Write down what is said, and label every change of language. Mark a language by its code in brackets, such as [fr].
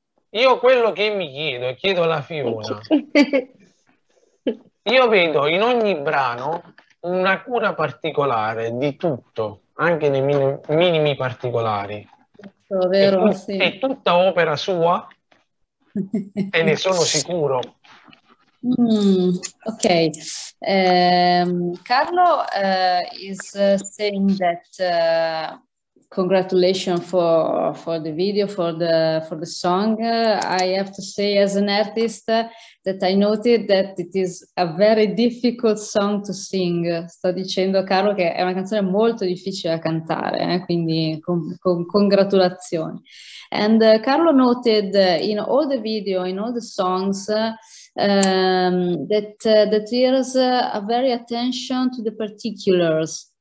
[it] Io quello che mi chiedo, e chiedo alla Fiona, io vedo in ogni brano una cura particolare di tutto, anche nei minimi particolari. Vero, è tutta opera sua e ne sono sicuro. [en] Ok, Carlo is saying that congratulations for the video, for the song. I have to say, as an artist, that I noted that it is a very difficult song to sing. [it] Sto dicendo a Carlo che è una canzone molto difficile da cantare, quindi congratulazioni. [en] And Carlo noted in all the video, in all the songs, that there is a very attention to the particulars.